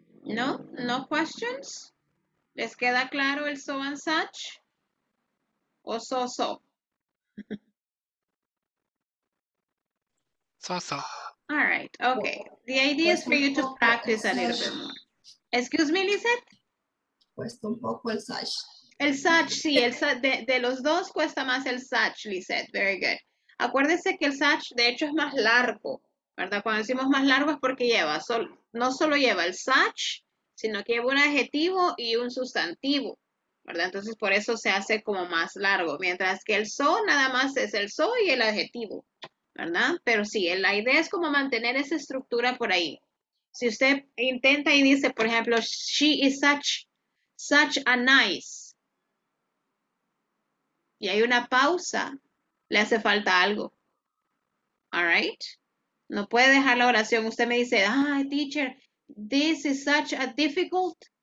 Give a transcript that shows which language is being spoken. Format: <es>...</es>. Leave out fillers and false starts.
<en>No, no questions.</en> <es>¿Les queda claro el</es> <en>so and such?</en> <es>¿O</es> <en>so so? So so. All right, okay. The idea is for you to practice a little bit more. Excuse me, Lisette?</en> <es>Cuesta un poco el such. El such, sí, el such. De los dos cuesta más el such, Lisette.</es> <en>Very good.</en> <es>Acuérdese que el such, de hecho, es más largo, ¿verdad? Cuando decimos más largo es porque lleva, no solo lleva el such, sino que lleva un adjetivo y un sustantivo, ¿verdad? Entonces, por eso se hace como más largo. Mientras que el so, nada más es el so y el adjetivo, ¿verdad? Pero sí, la idea es como mantener esa estructura por ahí. Si usted intenta y dice, por ejemplo,</es> <en>she is such a nice,</en> <es>y hay una pausa, le hace falta algo.</es> <en>All right?</en> <es>No puede dejar la oración. Usted me dice, ay,</es> <en>teacher, this is such a difficult.</en>